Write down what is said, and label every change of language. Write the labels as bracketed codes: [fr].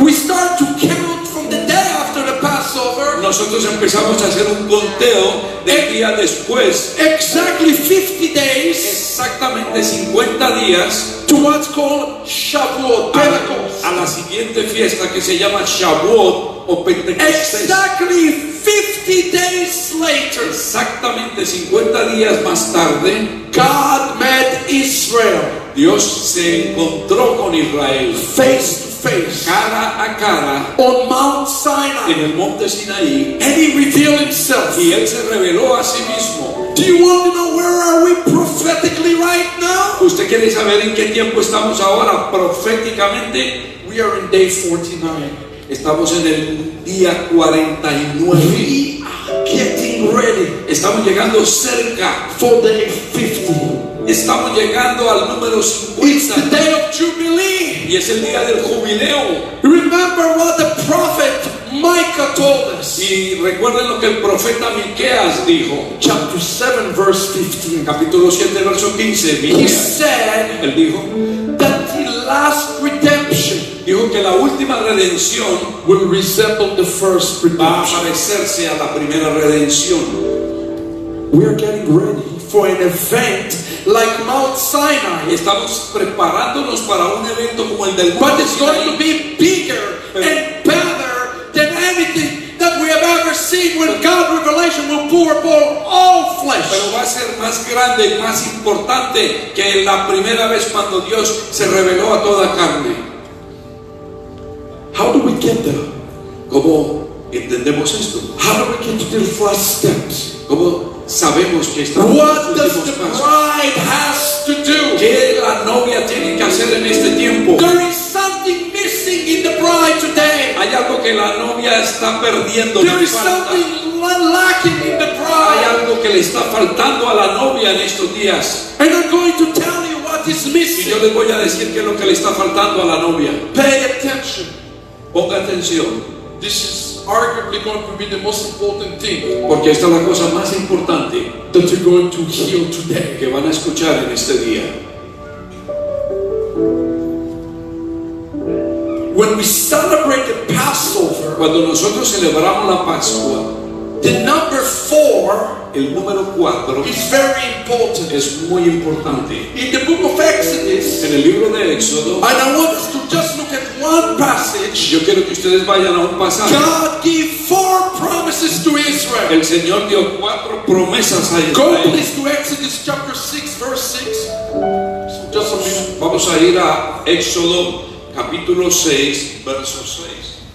[en] we start to count from the day after the Passover. [es] Nosotros empezamos a hacer un conteo del día después. [en] Exactly 50 days. [es] Exactamente 50 días. [en] To what's called Shavuot, Pentecost. [es] A la siguiente fiesta que se llama Shavuot o Pentecostés. [en] Exactly 50 days later. [es] Exactamente 50 días más tarde. [en] God met Israel. [es] Dios se encontró con Israel [en] face to face, [es] cara a cara, [en] on Mount Sinai, [es] en el monte Sinaí, [en] and he revealed himself. [es] Y él se reveló a sí mismo. [en] Do you want to know where are we prophetically right now? [es] ¿Usted quiere saber en qué tiempo estamos ahora proféticamente? [en] We are in day 49. [es] Estamos en el día 49. [en] We are getting ready. [es] Estamos llegando cerca [en] for day 50. [es] Estamos llegando al número 50. [en] It's the day of Jubilee. [es] Y es el día del jubileo. [en] Remember what the prophet Micah told us. [es] Y recuerden lo que el profeta Miqueas dijo. [en] Chapter 7 verse 15. [es] Capítulo 7 verso 15. [en] Miqueas. He said. [es] Él dijo. [en] That the last redemption. [es] Dijo que la última redención [en] will resemble the first redemption. [es] Va a parecerse a la primera redención. [en] We are getting ready for an event like Mount Sinai. [es] Estamos preparándonos para un evento como el del Monte Sinai. [en] But it's going to be bigger and better than anything that we have ever seen when God's revelation will pour upon all flesh. [es] Pero va a ser más grande y más importante que la primera vez cuando Dios se reveló a toda carne. [en] How do we get there? [es] ¿Cómo entendemos esto? [en] How do we get to the first steps? [es] ¿Cómo sabemos que estamos? [en] What does the bride has to do? [es] ¿Qué la novia tiene que hacer en este tiempo? [en] There is something missing in the bride today. [es] Hay algo que la novia está perdiendo. [en] There is something lacking in the bride. [es] Hay algo que le está faltando a la novia en estos días. [en] And I'm going to tell you what is missing. [es] Y yo les voy a decir qué es lo que le está faltando a la novia. [en] Pay attention. [es] Ponga atención. [en] This is arguably going to be the most important thing. [es] Porque esta es la cosa más importante [en] that you're going to hear today. [es] Que van a escuchar en este día. [en] When we celebrate the Passover, [es] cuando nosotros celebramos la Pascua, [en] the number four, [es] el número 4, [en] is very important. [es] Es muy importante. [en] In the book of Exodus, [es] en el libro de Éxodo, [en] and I want us to just look at one passage. [es] Yo quiero que ustedes vayan a un pasaje. [en] God gave four promises to Israel. [es] El Señor dio cuatro promesas a Israel. [en] Go please to Exodus chapter 6, verse 6. So just a minute. [es] Vamos a ir a Éxodo capítulo 6, verso 6.